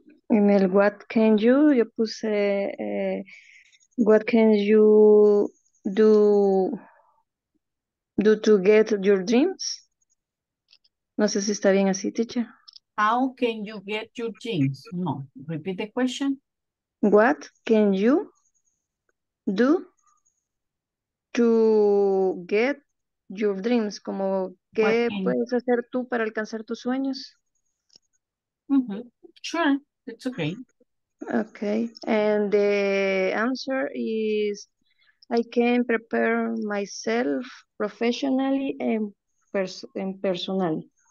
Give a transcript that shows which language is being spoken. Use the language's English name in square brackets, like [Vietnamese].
[Spanish] En el [English] what can you, [Spanish] yo puse [English] what can you do to get your dreams. [Spanish] No sé si está bien así, teacher. [English] How can you get your dreams? No, repeat the question. What can you do to get your dreams? [Spanish] Como, ¿qué puedes hacer tú para alcanzar tus sueños? [English] Sure. It's okay. Okay. And the answer is I can prepare myself professionally and personal.